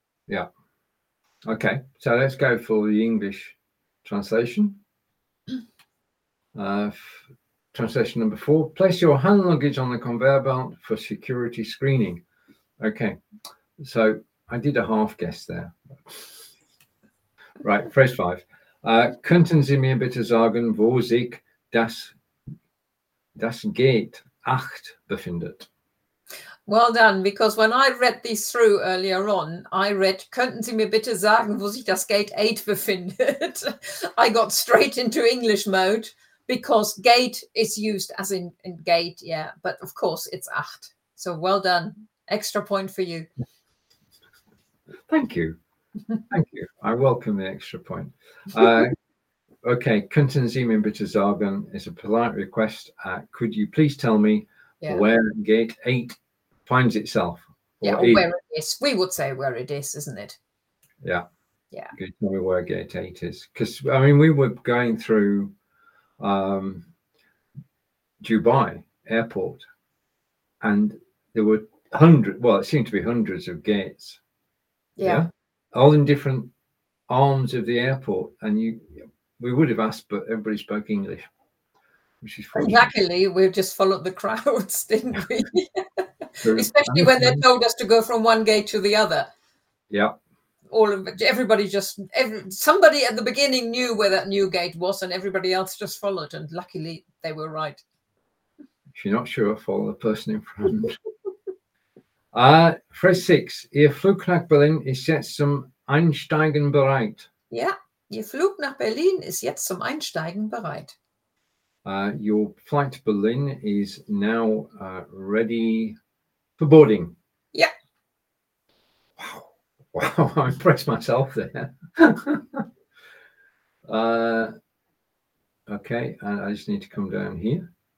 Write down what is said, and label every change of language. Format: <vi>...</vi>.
<en>Yeah. Okay, so let's go for the English translation. Translation number 4, place your hand luggage on the conveyor belt for security screening. Okay, so I did a half guess there. Right, phrase 5.</en> <de>Könnten Sie mir bitte sagen, wo sich das Gate 8 befindet?</de> <en>Well done, because when I read these through earlier on, I read,</en> <de>könnten Sie mir bitte sagen, wo sich das Gate 8 befindet?</de> <en>I got straight into English mode. Because gate is used as in gate, yeah. But of course, it's 8. So well done. Extra point for you. Thank you. Thank you. I welcome the extra point. Okay.</en> <de>Könnten Sie mir bitte sagen,</de> <en>is a polite request. Could you please tell me where gate 8 finds itself? Where it is. We would say where it is, isn't it? Yeah. Yeah. Could you tell me where gate 8 is? Because, I mean, we were going through Dubai airport, and there were hundreds of gates, all in different arms of the airport, and we would have asked, but everybody spoke English, which is funny. Luckily we just followed the crowds, didn't we? Especially when they told us to go from one gate to the other. Somebody at the beginning knew where that new gate was, and everybody else just followed. And luckily, they were right. If you're not sure, follow the person in front. Phrase six.</en> <de>Ihr Flug nach Berlin ist jetzt zum Einsteigen bereit. Ja, Ihr Flug nach Berlin ist jetzt zum Einsteigen bereit.</de> <en>Your flight to Berlin is now ready for boarding.</en> <de>Ja.</de> <en>Wow, I impressed myself there. okay, I just need to come down here.</en>